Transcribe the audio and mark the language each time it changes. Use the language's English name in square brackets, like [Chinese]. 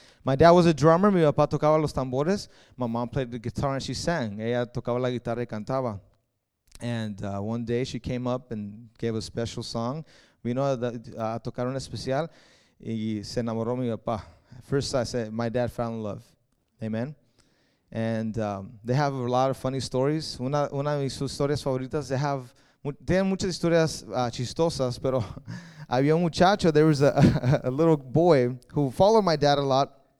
[English] My dad was a drummer, [Spanish] mi papá tocaba los tambores, [English] my mom played the guitar and she sang. [Spanish] Ella tocaba la guitarra y cantaba. [English] And one day she came up and gave a special song. [Spanish] Vino a tocar un especial y se enamoró mi papá. [English] First, I said, my dad found love. Amen. And they have a lot of funny stories. [Spanish] Una de sus historias favoritas, [English] they have, [Spanish] tienen muchas historias chistosas, pero había un muchacho, [English] there was a little boy who followed my dad a lot.